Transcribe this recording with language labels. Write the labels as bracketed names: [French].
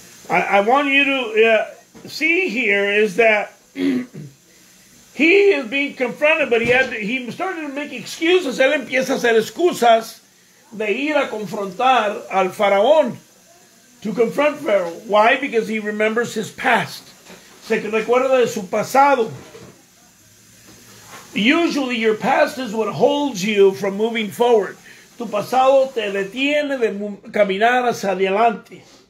[English] I want you to see here is that he is being confronted, but he started to make excuses. [Spanish] Él empieza a hacer excusas de ir a confrontar al faraón, [English] to confront Pharaoh. Why? Because he remembers his past. [Spanish] Se recuerda de su pasado. [English] Usually your past is what holds you from moving forward. [Spanish] Tu pasado te detiene de caminar hacia adelante.